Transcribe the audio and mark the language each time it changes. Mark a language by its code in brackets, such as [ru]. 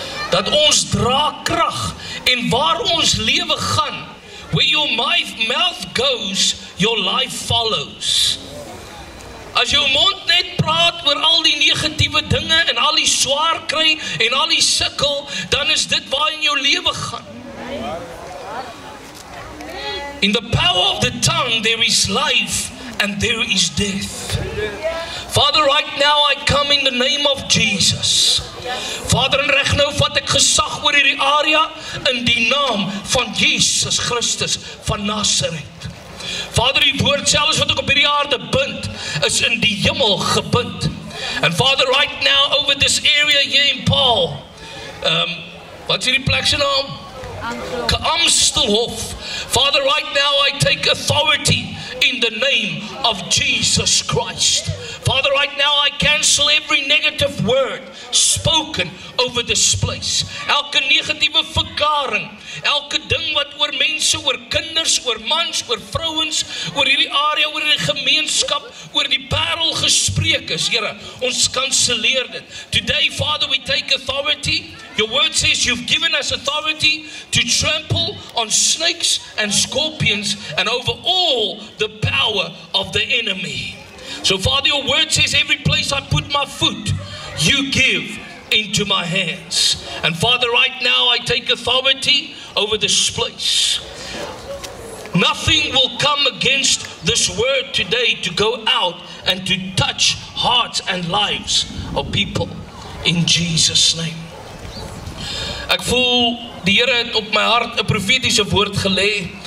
[af] Dat ons dra krag en waar ons lewe gaan, [en] where your mouth goes, your life follows. [af] As jou mond net praat oor al die negatiewe dinge en al die swaar kry en al die sukkel, dan is dit waar in jou lewe gaan. [en] In the power of the tongue there is life and there is death. Father, right now I come in the name of Jesus. [af] Vader, en reg nou vat ek gesag oor hierdie area in die naam van Jesus Christus van Nasaret. Vader, die woord selfs wat ek op hierdie aarde bind is in die hemel gebind. [en] And Father, right now over this area here in Paarl, [af] wat is hierdie plek se naam? [en] Amstelhof. Father, right now I take authority in the name of Jesus Christ. Father, right now cancel every negative word spoken over this place. [af] Elke negatiewe verklaring, elke ding wat oor mense, oor kinders, oor mans, oor vrouens, oor hierdie area, oor die gemeenskap, oor die Paarl gespreek is, Here, ons kanselleer dit. [en] Today, Father, we take authority. Your word says you've given us authority to trample on snakes and scorpions and over all the power of the enemy. So Father, your word says every place I put my foot, you give into my hands. And Father, right now I take authority over this place. Nothing will come against this word today to go out and to touch hearts and lives of people in Jesus' name. [af] Ek voel die Here het op my hart 'n profetiese woord gelê.